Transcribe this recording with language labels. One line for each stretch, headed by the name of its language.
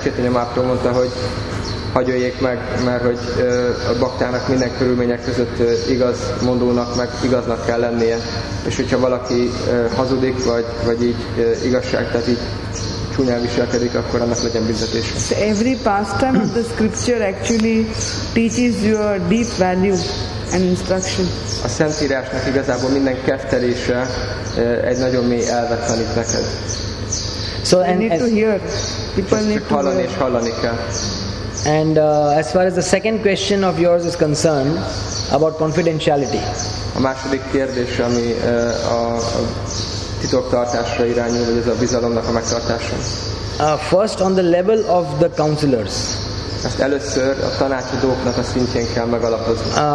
Hungarian: Chaitanya Mahaprabhu mondta, hogy hagyoljék meg, mert hogy a baktának minden körülmények között igaz mondónak, meg igaznak kell lennie. És hogyha valaki hazudik, vagy így igazság, tehát így csúnyán viselkedik, akkor annak legyen büntetés.
English: So every pastime of the scripture actually teaches you a deep value and instruction.
Hungarian: A Szentírásnak igazából minden keftelése egy nagyon mély elvet tanít neked.
English: So and need to hear. People need to hear.
Hungarian: Csak hallani és hallani kell.
English: And as far as the second question of yours is concerned, about confidentiality.
Hungarian: A második kérdés, ami a titoktartásra irányul, vagy ez a bizalomnak a megtartása.
English: First, on the level of the counselors.
Hungarian: Ezt először a tanácsadóknak a szintjén kell megalapozni.